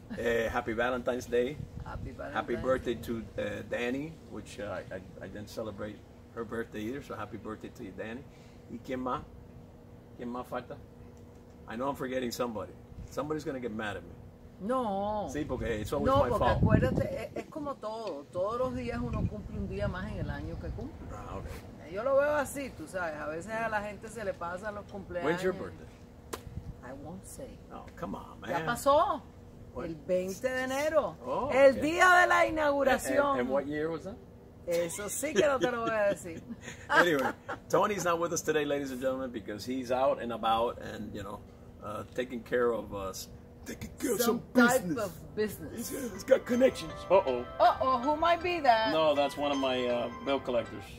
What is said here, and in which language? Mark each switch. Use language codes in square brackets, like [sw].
[en] Español. Happy Valentine's Day. Happy Valentine's. Happy birthday to Danny, which I didn't celebrate her birthday either, so happy birthday to you, Danny. [es] ¿Y quién más? ¿Quién más falta? [en] I know I'm forgetting somebody. Somebody's going to get mad at me. No. [es] Sí, porque eso es no, [en] my [es] porque [en] fault. [es] Acuérdate, es como todo. Todos los días uno cumple un día más en el año que cumple. [en] Ah, okay. [es] Yo lo veo así, tú sabes. A veces a la gente se le pasa los cumpleaños. [en] When's your birthday? I won't say. Oh, come on, man. [es] Ya pasó. What? El 20 de enero. [en] Oh, okay. [es] El día de la inauguración. [en] And what year was that? [es] Eso sí que no te lo voy a decir. [en] Anyway, Tony's not with us today, ladies and gentlemen, because he's out and about and, you know, taking care of us. Some type business. Of business. He's got connections. Uh-oh. Who might be that? No, that's one of my bill collectors.